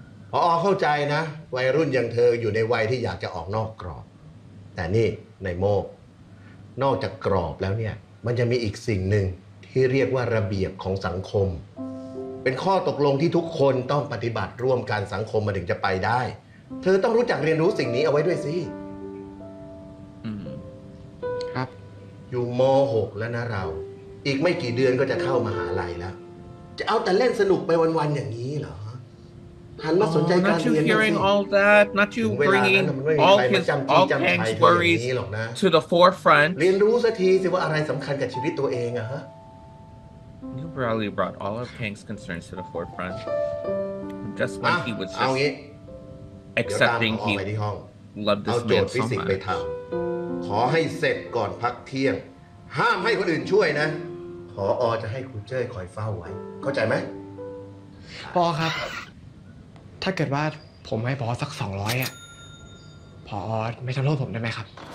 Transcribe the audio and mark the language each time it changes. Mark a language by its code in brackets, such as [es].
[th] พอเข้าใจนะวัยรุ่นอย่างเธออยู่ในวัยที่อยากจะออกนอกกรอบแต่นี่ในโมกนอกจากกรอบแล้วเนี่ยมันจะมีอีกสิ่งหนึ่งที่เรียกว่าระเบียบของสังคมเป็นข้อตกลงที่ทุกคนต้องปฏิบัติร่วมกันสังคมมันถึงจะไปได้เธอต้องรู้จักเรียนรู้สิ่งนี้เอาไว้ด้วยสิ ครับ อยู่ม.6แล้วนะเราอีกไม่กี่เดือนก็จะเข้ามหาลัยแล้วจะเอาแต่เล่นสนุกไปวันๆอย่างนี้เหรอหันมาสนใจการเรียน ด้วยสิ [en] Not you bringing all his all hanks worries to the forefront [th] เรียนรู้สักทีสิว่าอะไรสำคัญกับชีวิตตัวเองอะฮะ [en] You probably brought all of Hank's concerns to the forefront. Just when he was just accepting he loved this man so much. [th] ขอให้เสร็จก่อนพักเที่ยงห้ามให้คนอื่นช่วยนะพอจะให้ครูเจ้ยคอยเฝ้าไว้เข้าใจไหม พอครับถ้าเกิดว่าผมให้พอสัก200อ่ะพอไม่ทำโทษผมได้ไหมครับ